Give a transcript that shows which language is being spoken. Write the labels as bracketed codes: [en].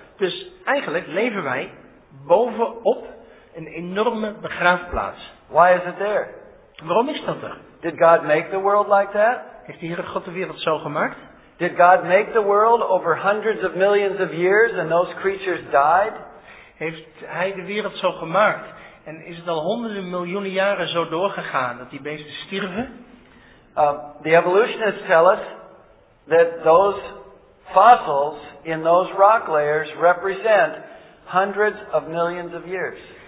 [nl] Dus eigenlijk leven wij bovenop een enorme begraafplaats. [en] Why is it there? [nl] Waarom is dat er? [en] Did God make the world like that? [nl] Heeft de Heere God de wereld zo gemaakt? [en] Did God make the world over hundreds of millions of years and those creatures died? [nl] Heeft hij de wereld zo gemaakt? En is het al honderden miljoenen jaren zo doorgegaan dat die beesten stierven? [en] The evolutionists tell us that those fossils in those rock layers represent hundreds of millions of years.